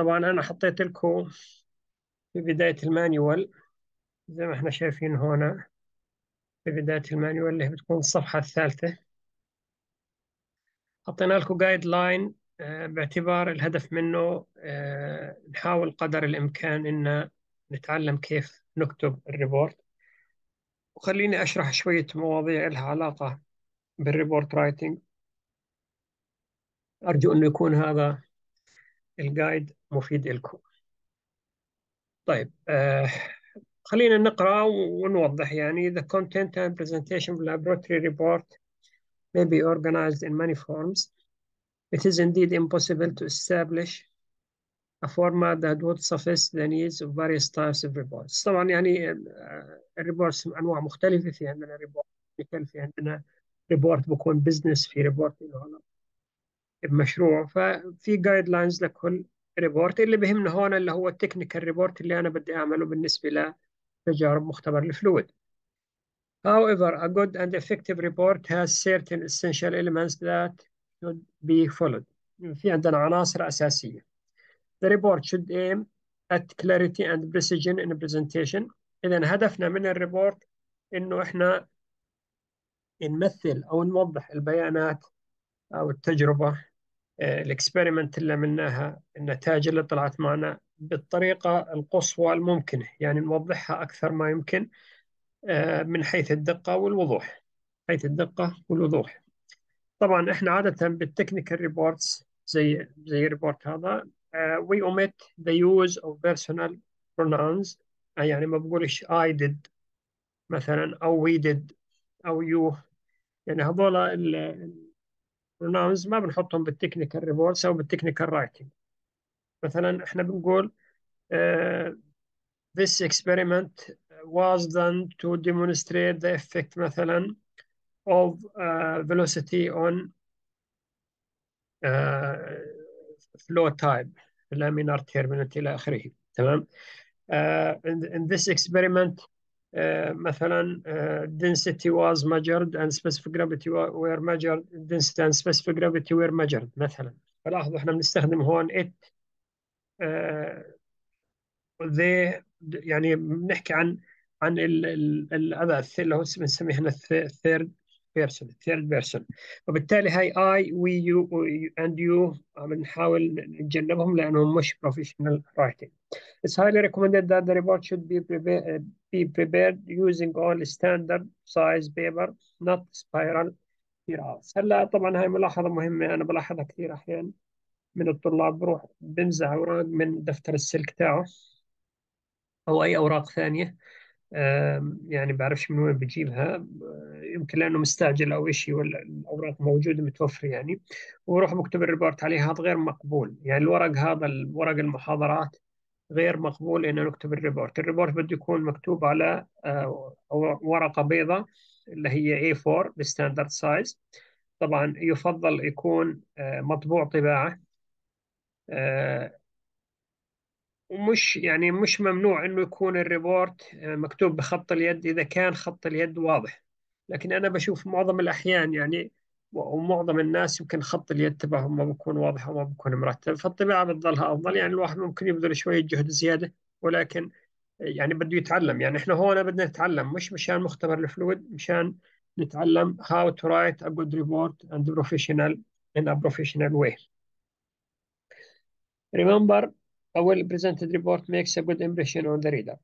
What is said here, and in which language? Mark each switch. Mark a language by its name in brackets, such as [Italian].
[Arabic] طبعا أنا حطيت لكم في بداية المانيوال، زي ما احنا شايفين هنا في بداية المانيوال اللي بتكون الصفحة الثالثة، حطينا لكم جايد لاين باعتبار الهدف منه نحاول قدر الإمكان إن نتعلم كيف نكتب الريبورت. وخليني أشرح شوية مواضيع لها علاقة بالريبورت رايتنج. أرجو أن يكون هذا الجايد مفيد لكم. طيب خلينا نقرأ ونوضح. [English] يعني the content and presentation of laboratory report may be organized in many forms. It is indeed impossible to establish a format that would suffice the needs of various types of reports. [Arabic] طبعا يعني الريبورتس أنواع مختلفة. في عندنا ريبورت ميكانيكال، في عندنا ريبورت بكون بزنس، في ريبورت بمشروع. ففي جايد لاينز لكل ريبورت. اللي بهمنا هون اللي هو التكنيكال ريبورت اللي انا بدي اعمله بالنسبه لتجارب مختبر الفلويد. [English] However, a good and effective report has certain essential elements that should be followed. [Arabic] في عندنا عناصر اساسيه. [English] The report should aim at clarity and precision in presentation. [Arabic] اذا هدفنا من الريبورت انه احنا نمثل او نوضح البيانات أو التجربة الاكسبيرمنت اللي عملناها، النتائج اللي طلعت معنا بالطريقة القصوى الممكنة، يعني نوضحها أكثر ما يمكن من حيث الدقة والوضوح. حيث الدقة والوضوح. طبعا إحنا عادة بالتكنيكال ريبورتس زي الريبورت هذا [English] we omit the use of personal pronouns. [Arabic] يعني ما بقولش [English] I did [Arabic] مثلا أو [English] we did [Arabic] أو you. يعني هذول pronouns ما بنحطهم بالتكنيكال ريبورتس او بالتكنيكال رايتنج. مثلا احنا بنقول [English] this experiment was done to demonstrate the effect [Arabic] مثلا [English] of velocity on flow type laminar turbulent [Arabic] الى اخره. تمام. [English] In this experiment [Arabic] مثلا [English] density was measured and specific gravity were measured. Density and specific gravity were measured [Arabic] مثلا. فلاحظوا احنا بنستخدم هون [English] it they، [Arabic] يعني بنحكي عن الاداء اللي هو بنسميه هنا [English] third person. third person، [Arabic] وبالتالي هاي [English] I we you and you [Arabic] بنحاول نتجنبهم لانهم مش [English] professional writing. It's highly recommended that the report should be prepared using only standard size paper, not spiral spirals. [Arabic] هلا طبعا هاي ملاحظة مهمة، أنا بلاحظها كثير أحيانا من الطلاب، بروح بمزح أوراق من دفتر السلك تاعه أو أي أوراق ثانية، يعني بعرفش من وين بجيبها، يمكن لأنه مستعجل أو إشي، ولا الأوراق موجودة متوفرة يعني، وروح بكتب الريبورت عليها. هذا غير مقبول، يعني الورق هذا الورق المحاضرات غير مقبول ان نكتب الريبورت. الريبورت بده يكون مكتوب على ورقه بيضاء اللي هي A4 بالستاندرد سايز. طبعا يفضل يكون مطبوع طباعه، ومش يعني مش ممنوع انه يكون الريبورت مكتوب بخط اليد اذا كان خط اليد واضح، لكن انا بشوف معظم الاحيان يعني ومعظم الناس يمكن خط اليد تبعهم ما بكون واضح وما بكون مرتب، فالطباعة بتظلها أفضل. يعني الواحد ممكن يبذل شوية جهد زيادة، ولكن يعني بده يتعلم. يعني إحنا هون بدنا نتعلم، مش مشان مختبر الفلويد، مشان نتعلم [English] how to write a good report and professional in a professional way. Remember, a well presented report makes a good impression on the reader.